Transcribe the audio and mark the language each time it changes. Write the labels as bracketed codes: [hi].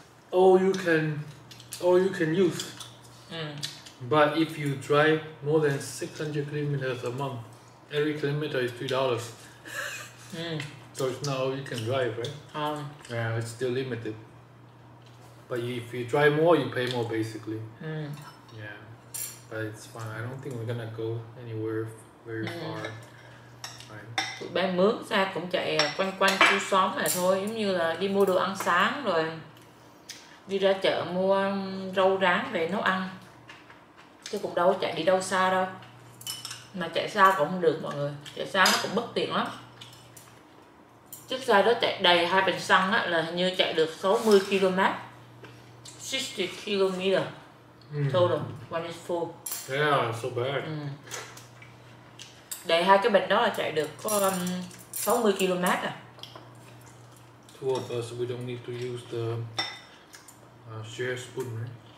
[en] All you can use. But if you drive more than 600 kilometers a month, every kilometer is $3. So it's not all you can drive, right? Yeah, it's still limited. But if you drive more, you pay more basically. Yeah, but it's fine. I don't think we're gonna go anywhere very far. [vi] Tụi bé mướn xe cũng chạy quanh quanh khu xóm này thôi, giống như là đi mua đồ ăn sáng rồi đi ra chợ mua rau rán về nấu ăn chứ cũng đâu có chạy đi đâu xa đâu. Mà chạy xa cũng không được mọi người, chạy xa nó cũng bất tiện lắm. Chiếc xe đó chạy đầy hai bình xăng á là hình như chạy được 60 km, [en] 60 km total when it's full. So bad. [vi] Để hai cái bình đó là chạy được có 60 km à. [en] Two of us, we don't need to use the share spoon, right?